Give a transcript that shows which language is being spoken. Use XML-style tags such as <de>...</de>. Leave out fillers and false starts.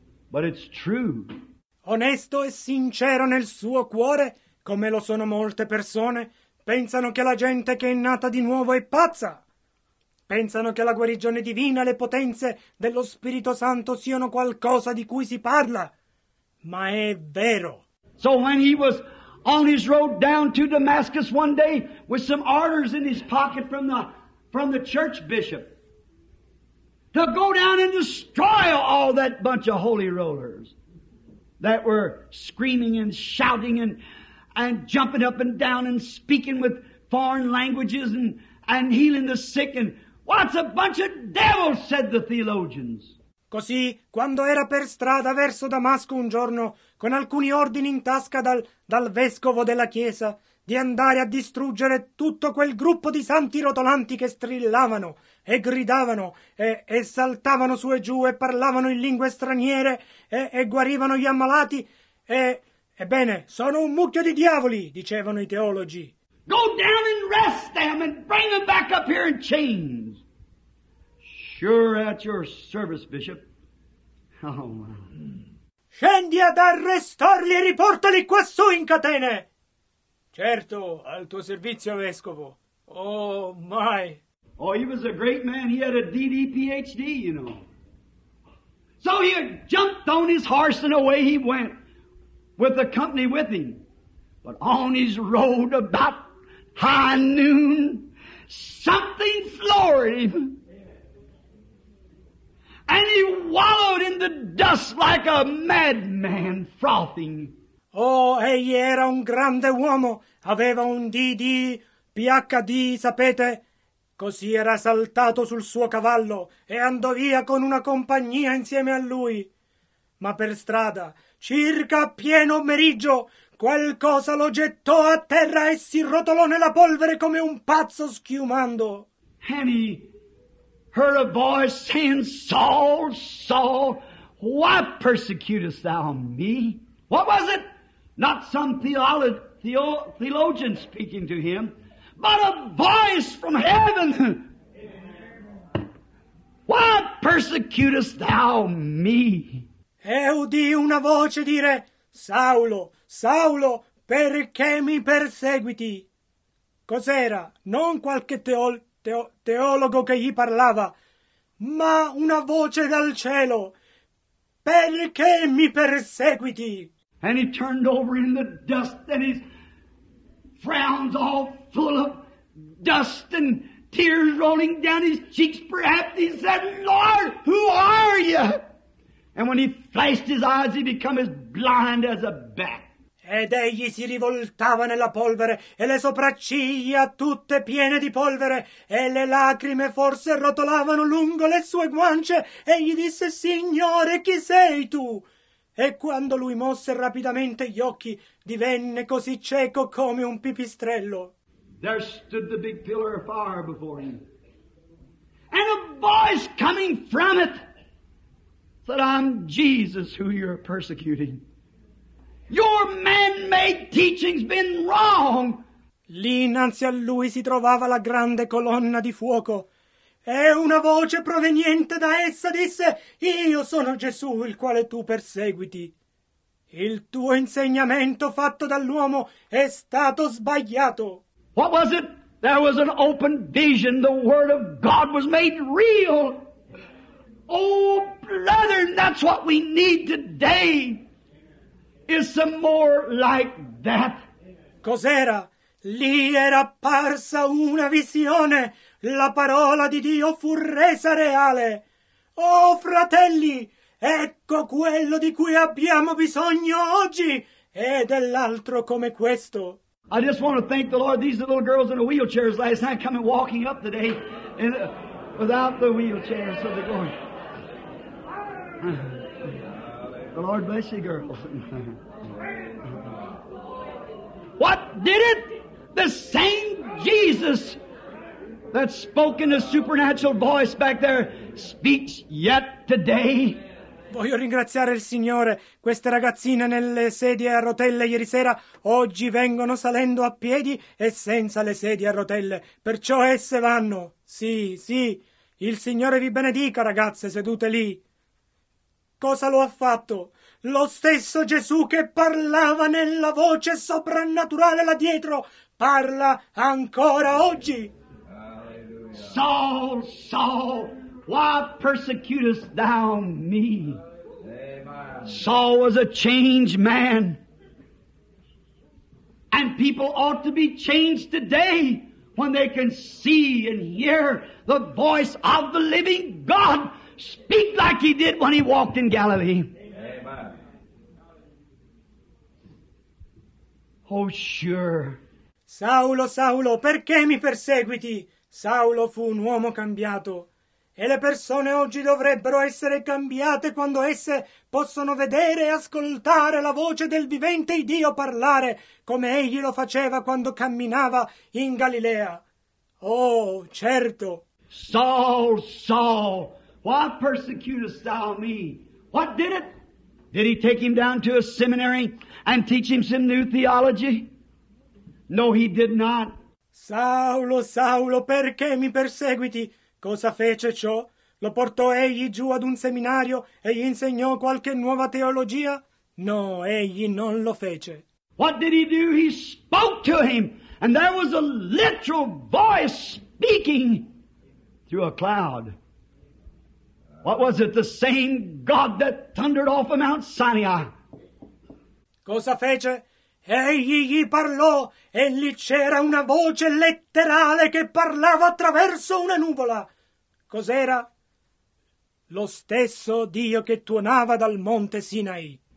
<en>But it's true.</en> <it>Onesto e sincero nel suo cuore, come lo sono molte persone, pensano che la gente che è nata di nuovo è pazza. Pensano che la guarigione divina e le potenze dello Spirito Santo siano qualcosa di cui si parla. Ma è vero.</it> <en>So when he was on his road down to Damascus one day with some orders in his pocket from the church bishop to go down and destroy all that bunch of holy rollers that were screaming and shouting and jumping up and down and speaking with foreign languages and healing the sick and what's a bunch of devils, said the theologians.</en> <it>Così, quando era per strada verso Damasco un giorno, con alcuni ordini in tasca dal vescovo della chiesa, di andare a distruggere tutto quel gruppo di santi rotolanti che strillavano e gridavano e saltavano su e giù e parlavano in lingue straniere e guarivano gli ammalati Ebbene, sono un mucchio di diavoli, dicevano i teologi.</it> <en>Go down and rest them and bring them back up here in chains. Sure at your service, Bishop. Oh, my.</en> <it>Scendi ad arrestarli e riportali quassù in catene. Certo, al tuo servizio, Vescovo.</it> <en>Oh, my. Oh, he was a great man. He had a DD PhD, you know. So he jumped on his horse and away he went with the company with him. But on his road about high noon, something floored him. And he wallowed in the dust like a madman frothing.</en> <it>Oh, egli era un grande uomo. Aveva un DD, PhD, sapete? Così era saltato sul suo cavallo e andò via con una compagnia insieme a lui. Ma per strada, circa pieno meriggio, qualcosa lo gettò a terra e si rotolò nella polvere come un pazzo schiumando.</it> <en>And he heard a voice saying, Saul, Saul, why persecutest thou me? What was it? Not some theologian speaking to him, but a voice from heaven. Why persecutest thou me?</en> <it>E udì una voce dire, Saulo, Saulo, perché mi perseguiti? Cos'era? Non qualche teologo che gli parlava, ma una voce dal cielo. Perché mi perseguiti?</it> <en>And he turned over in the dust and his frown's all full of dust and tears rolling down his cheeks. Perhaps he said, Lord, who are you? And when he flashed his eyes, he became as blind as a bat.</en> <it>Ed egli si rivoltava nella polvere e le sopracciglia tutte piene di polvere e le lacrime forse rotolavano lungo le sue guance e gli disse, Signore, chi sei tu? E quando lui mosse rapidamente gli occhi, divenne così cieco come un pipistrello.</it> <en>There stood the big pillar of fire before him. And a voice coming from it said, I'm Jesus who you're persecuting. Your man-made teaching's been wrong.</en> <it>Lì innanzi a lui si trovava la grande colonna di fuoco. E una voce proveniente da essa disse, Io sono Gesù il quale tu perseguiti. Il tuo insegnamento fatto dall'uomo è stato sbagliato.</it> <en>What was it? There was an open vision. The word of God was made real. Oh, brethren, that's what we need today. Is some more like that.</en> <it>Cos'era? Lì era apparsa una visione. La parola di Dio fu resa reale. Oh, fratelli, ecco quello di cui abbiamo bisogno oggi e dell'altro come questo.</it> <en>I just want to thank the Lord. These little girls in the wheelchairs last night coming walking up today and, without the wheelchairs. So they're going. The Lord bless you, girls. What did it? The same Jesus that spoke in a supernatural voice back there speaks yet today.</en> <it>Voglio ringraziare il Signore. Queste ragazzine nelle sedie a rotelle ieri sera oggi vengono salendo a piedi e senza le sedie a rotelle. Perciò esse vanno. Sì, sì. Il Signore vi benedica, ragazze sedute lì. Cosa lo ha fatto? Lo stesso Gesù che parlava nella voce soprannaturale là dietro parla ancora oggi.</it> <en>Saul, Saul, why persecutest thou me? Saul was a changed man. And people ought to be changed today when they can see and hear the voice of the living God speak like he did when he walked in Galilee. Oh, sure.</en> <it>Saulo, Saulo, perché mi perseguiti? Saulo fu un uomo cambiato. E le persone oggi dovrebbero essere cambiate quando esse possono vedere e ascoltare la voce del vivente Dio parlare come egli lo faceva quando camminava in Galilea. Oh, certo.</it> <en>Saul, Saul, why persecutest thou me? What did it? Did he take him down to a seminary and teach him some new theology? No, he did not.</en> <it>Saulo, Saulo, perché mi perseguiti? Cosa fece ciò? Lo portò egli giù ad un seminario e gli insegnò qualche nuova teologia? No, egli non lo fece.</it> <en>What did he do? He spoke to him, and there was a literal voice speaking through a cloud. What was it? The same God that thundered off of Mount Sinai.</en> <it>Cosa fece? Egli gli parlò, e lì c'era una voce letterale che parlava attraverso una nuvola. Cos'era? Lo stesso Dio che tuonava dal monte Sinai.</it>